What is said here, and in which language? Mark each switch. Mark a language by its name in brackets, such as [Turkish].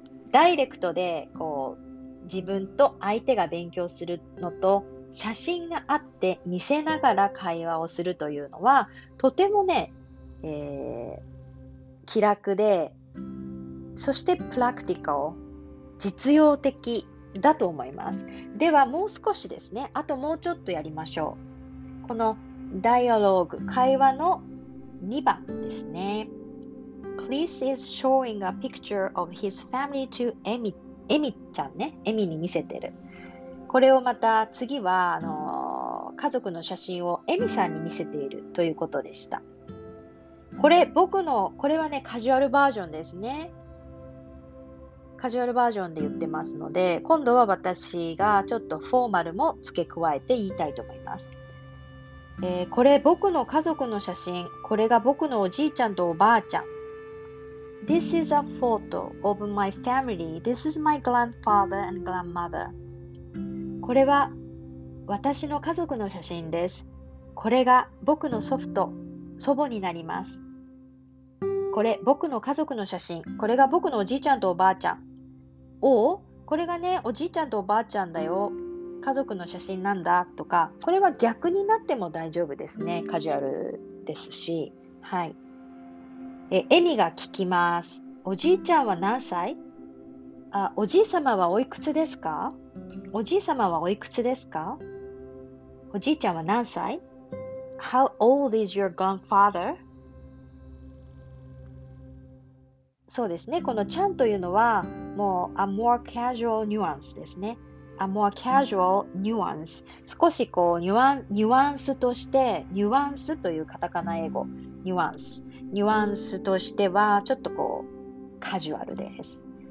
[Japanese] ダイレクトでこう自分と相手が勉強するのと、写真があって見せながら会話をするというのはとてもね、気楽で、そしてプラクティカル、実用的だと思います。ではもう少しですね、あともうちょっとやりましょう。このダイアローグ、会話の2番ですね。 [English] Chris is showing a picture of his family to Amy。 [Japanese] Amy ちゃんね、 Amy に見せてる。これをまた次は、家族の写真を Amy さんに見せているということでした。これ僕の、これはね、カジュアルバージョンですね。カジュアルバージョンで言ってますので、今度は私がちょっとフォーマルも付け加えて言いたいと思います。これ僕の家族の写真、これが僕のおじいちゃんとおばあちゃん。 [English] This is a photo of my family. This is my grandfather and grandmother. [Japanese] これは私の家族の写真です。これが僕の祖父と祖母になります。これ僕の家族の写真、これが僕のおじいちゃんとおばあちゃん。おお、これがね、おじいちゃんとおばあちゃんだよ、家族の写真なんだ、とか、これは逆になっても大丈夫ですね。カジュアルですし、はい。エミが聞きます。おじいちゃんは何歳？あ、おじいさまはおいくつですか？おじいさまはおいくつですか？おじいちゃんは何歳？ [English] How old is your grandfather? [Japanese] そうですね。このちゃんというのは、もう、 [English] a more casual nuance [Japanese] ですね。 [English] a more casual nuance。 [Japanese] 少しこう、ニュアンスとして、ニュアンスというカタカナ英語、ニュアンス。ニュアンスとしては、ちょっとこう、カジュアルです。